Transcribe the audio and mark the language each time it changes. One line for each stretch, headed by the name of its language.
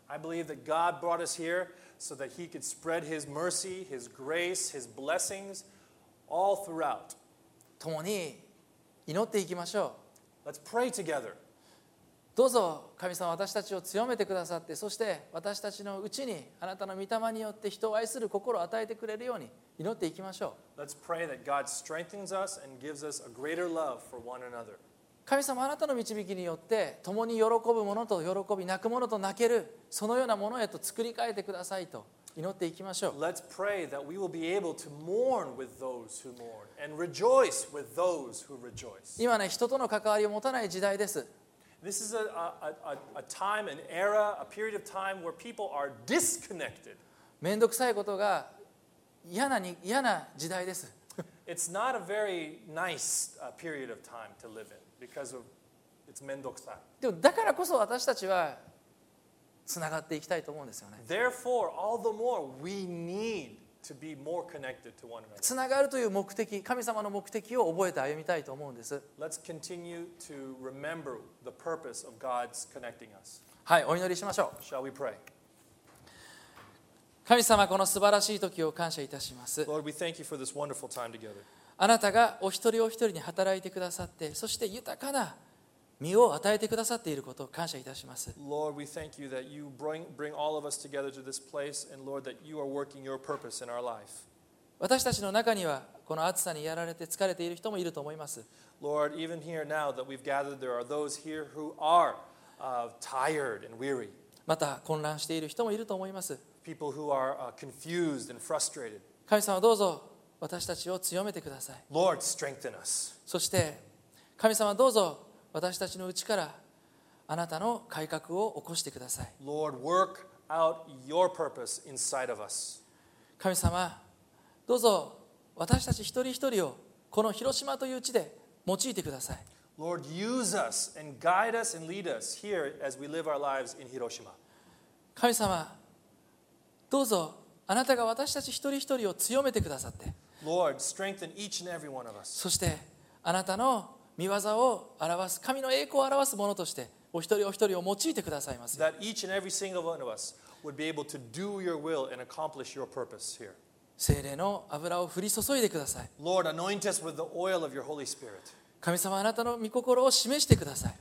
English: I believe that God brought us here so that He could spread His mercy, His grace, His blessings all throughout.
Japanese: 共に祈っていきましょう。
English: Let's pray together.
Japanese: どうぞ神様私たちを強めてくださって、そして私たちのうちにあなたの御霊によって人を愛する心を与えてくれるように祈っていきましょう。
English: Let's pray that God strengthens us and gives us a greater love for one another.
Japanese: 神様あなたの導きによって共に喜ぶものと喜び、泣くものと泣ける、そのようなものへと作り変えてくださいと祈っていきましょう。
English: Let's pray that we will be able to mourn with those who mourn and rejoice with those who rejoice.
Japanese: 今ね、人との関わりを持たない時代です。
English: This is a time, an era, a period of time where people are disconnected.
Japanese: めんどくさいことが嫌な時代です。
English: It's not a very nice period of time to live in because of
Japanese: It's 面倒くさい。でもだからこそ私たちはつながっていきたいと思うんですよね。
English: Therefore, all the more we need to be more connected to one another.
Japanese: つながるという目的、神様の目的を覚えて歩みたいと思うんです。
English: Let's continue to remember the purpose of God's connecting us.
Japanese: はい、お祈りしましょう。
English: Shall we pray?
Japanese: 神様、この素晴らしい時を感謝いたします。
English: Lord, we thank you for this wonderful time together.
Japanese: あなたがお一人お一人に働いてくださって、そして豊かな実を与えてくださっていることを感謝いたします。
English: Lord, we thank you that you bring all of us together to this place, and Lord, that you are working your purpose in our life.
Japanese: 私たちの中にはこの暑さにやられて疲れている人もいると思います。
English: Lord, even here now that we've gathered, there are those here who are tired and weary.
Japanese: また混乱している人もいると思います。
English: People who are confused and frustrated.
Japanese: 神様どうぞ私たちを強めてください。
English: Lord, strengthen us.
Japanese: そして神様どうぞ私たちのうちからあなたの改革を起こしてください。
English: Lord, work out your purpose inside of us.
Japanese: 神様どうぞ私たち一人一人をこの広島という地で用いてください。
English: Lord, use us and guide us and lead us here as we live our lives in Hiroshima.
Japanese: 神様どうぞあなたが私たち一人一人を強めてくださって、
English: Lord, strengthen each and every one of us.
Japanese: そしてあなたの御業を表す、神の栄光を表すものとしてお一人お一人を用いてくださいます。
English: That each and every single one of us would be able to do your will and accomplish your purpose here.
Japanese: 聖霊の油を降り注いでください。
English: Lord, anoint us with the oil of your Holy Spirit.
Japanese: 神様あなたの御心を示してください。